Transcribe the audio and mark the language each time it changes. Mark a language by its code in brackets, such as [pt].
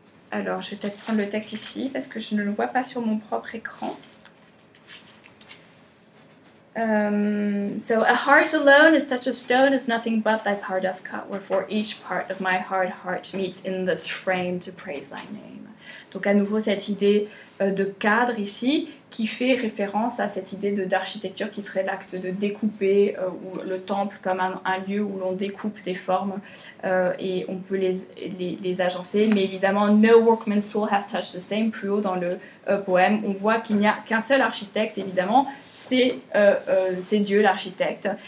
[fr] Alors, je vais peut-être prendre le texte ici parce que je ne le vois pas sur mon propre écran. [en] So a heart alone is such a stone as nothing but thy part doth cut, wherefore each part of my hard heart meets in this frame to praise thy name. [fr] Donc à nouveau cette idée de cadre ici qui fait référence à cette idée d'architecture qui serait l'acte de découper ou le temple comme un lieu où l'on découpe des formes et on peut les agencer. Mais évidemment, [en] no workman's tool hath touched the same. [fr] Plus haut dans le poème, on voit qu'il n'y a qu'un seul architecte, évidemment, c'est Dieu l'architecte.